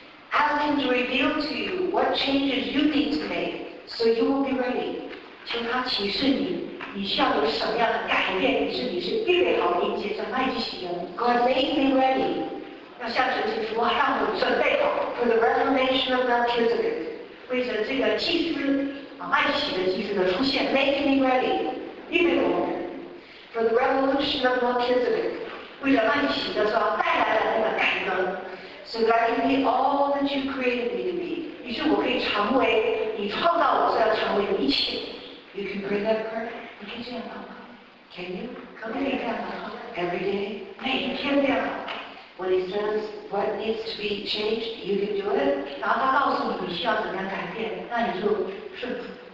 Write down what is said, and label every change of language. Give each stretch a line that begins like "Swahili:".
English: Ask him to reveal to you what changes you need to make, so you will be ready.
Chinese: 求他启示你，你需要有什么样的改变，使你是预备好迎接这麦基喜恩。
English: God make me ready.
Chinese: 要向神祈求，让我准备好。
English: For the reformation of that Melchizedek.
Chinese: 为着这个祭司，麦基喜的祭司的出现。
English: Make me ready.
Chinese: 预备我。
English: For the revolution of Melchizedek.
Chinese: 为着麦基喜的所带来的那个改革。
English: So that I can be all that you created me to be.
Chinese: 于是我可以成为你创造我所要成为的一切。
English: You can pray that prayer.
Chinese: 你可以这样祷告。
English: Can you?
Chinese: 可不可以这样祷告
English: ？Every day.
Chinese: 每一天这样。
English: When he says what needs to be changed, you can do it.
Chinese: 然后他告诉你你需要怎样改变，那你就顺服。